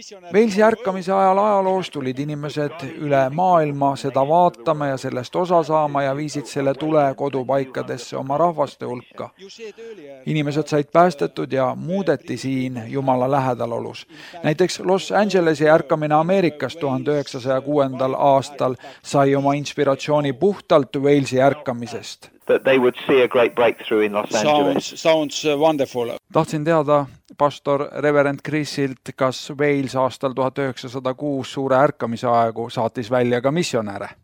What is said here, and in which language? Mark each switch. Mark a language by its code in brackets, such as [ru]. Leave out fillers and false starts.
[et] Veelsi ärkamise ajal ajaloos tulid inimesed üle maailma seda vaatama ja sellest osa saama ja viisid selle tule kodupaikadesse oma rahvaste hulka. Inimesed said päästetud ja muudeti siin Jumala lähedalolus. Näiteks Los Angelesi ärkamine Ameerikas 1906. aastal sai oma inspiratsiooni puhtalt Veelsi ärkamisest. [en] That they would see a great breakthrough in Los Angeles. Sounds wonderful. [et] Tahtsin teada pastor Reverend Chrisilt, kas Wales aastal 1906 suure ärkamise aegu saatis välja ka missionäre.